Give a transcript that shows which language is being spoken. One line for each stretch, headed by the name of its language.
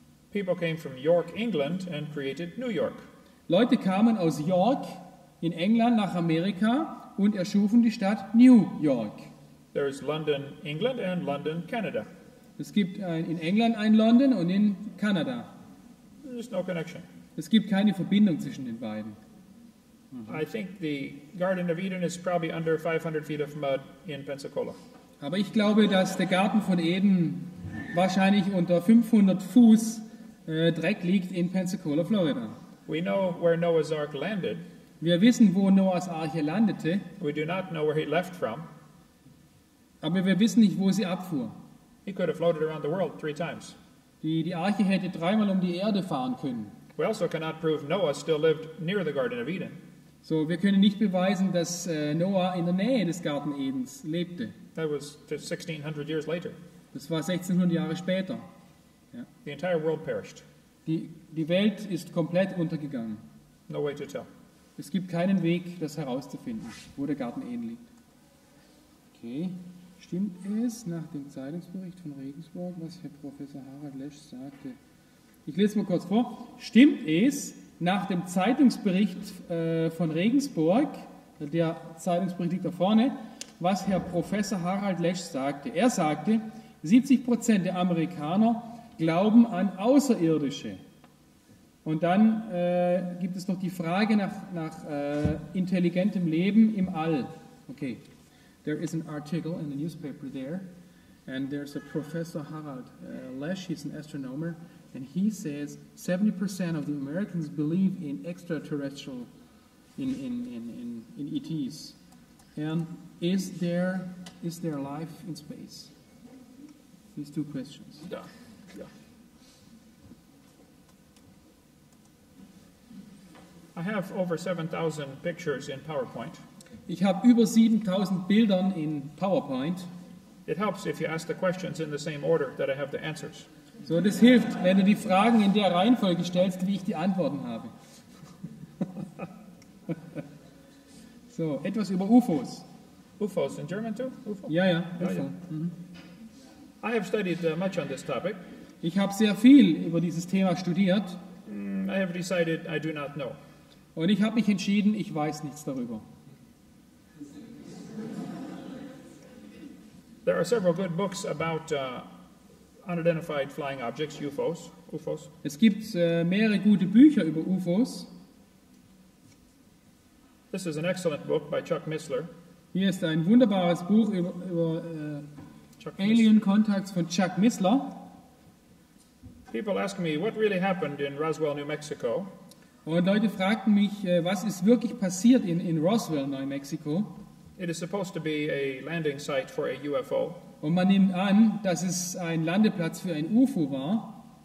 English: People came from York, England and created New York.
German: Leute kamen aus York in England nach Amerika und erschufen die Stadt New York.
English: There is London, England and London, Canada.
German: Es gibt in England ein London und in Kanada.
English: There's no connection.
German: Es gibt keine Verbindung zwischen den beiden.
English: I think the Garden of Eden is probably under 500 feet of mud in Pensacola.
German: Aber ich glaube, dass der Garten von Eden wahrscheinlich unter 500 Fuß Dreck liegt in Pensacola, Florida.
English: We know where Noah's Ark landed.
German: Wir wissen, wo Noahs Arche landete.
English: We do not know where he left from.
German: Aber wir wissen nicht, wo sie abfuhr.
English: He could have floated around the world three times.
German: Die Arche hätte dreimal um die Erde fahren können.
English: We also cannot prove Noah still lived near the Garden of Eden.
German: So, wir können nicht beweisen, dass Noah in der Nähe des Garten Edens lebte.
English: That was 1600 years later.
German: Das war 1600 Jahre später. Ja.
English: The entire world perished.
German: Die Welt ist komplett untergegangen.
English: No way to tell.
German: Es gibt keinen Weg, das herauszufinden, wo der Garten Eden liegt. Okay. Stimmt es nach dem Zeitungsbericht von Regensburg, was Herr Professor Harald Lesch sagte? Ich lese mal kurz vor. Stimmt es nach dem Zeitungsbericht von Regensburg, der Zeitungsbericht liegt da vorne, was Herr Professor Harald Lesch sagte? Er sagte, 70% der Amerikaner glauben an Außerirdische. Und dann gibt es noch die Frage nach intelligentem Leben im All. Okay.
English: There is an article in the newspaper there, and there's a Professor Harald Lesch, he's an astronomer, and he says 70% of the Americans believe in extraterrestrial, in ETs. And is there life in space? These two questions. Yeah. I have over 7,000 pictures in PowerPoint.
German: Ich habe über 7000 Bildern in PowerPoint.
English: It helps if you ask the questions in the same order that I have the answers.
German: So, das hilft, wenn du die Fragen in der Reihenfolge stellst, wie ich die Antworten habe. So, etwas über UFOs.
English: UFOs in German too? UFO?
German: Ja,
English: UFO. Oh, yeah. Mm-hmm. I have studied much on this topic.
German: Ich habe sehr viel über dieses Thema studiert.
English: I have decided I do not know.
German: Und ich habe mich entschieden, ich weiß nichts darüber.
English: There are several good books about unidentified flying objects, UFOs.
German: Es gibt mehrere gute Bücher über UFOs.
English: This is an excellent book by Chuck Missler.
German: Hier ist ein wunderbares Buch über Alien Contacts von Chuck Missler.
English: People ask me what really happened in Roswell, New Mexico.
German: Und Leute fragten mich, was ist wirklich passiert in Roswell, New Mexico?
English: It is supposed to be a landing site for a UFO.
German: Und man nimmt an, dass es ein Landeplatz für ein UFO war.